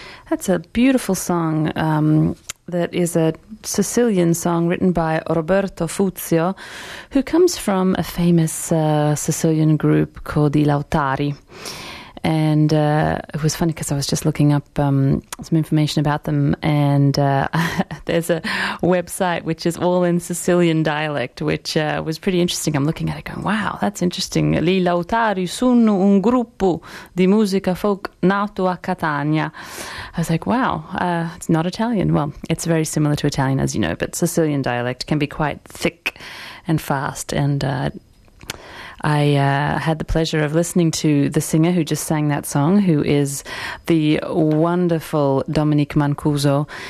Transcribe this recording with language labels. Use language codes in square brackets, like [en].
[en] It's a beautiful song that is a Sicilian song written by Roberto Fuzio, who comes from a famous Sicilian group called the Lautari. And it was funny because I was just looking up some information about them, and there's a website which is all in Sicilian dialect, which was pretty interesting. I'm looking at it going, wow, that's interesting. [it] Li Lautari sono un gruppo di musica folk nato a Catania. [en] I was like, wow, it's not Italian. Well, it's very similar to Italian, as you know, but Sicilian dialect can be quite thick and fast, and I had the pleasure of listening to the singer who just sang that song, who is the wonderful Dominique Mancuso.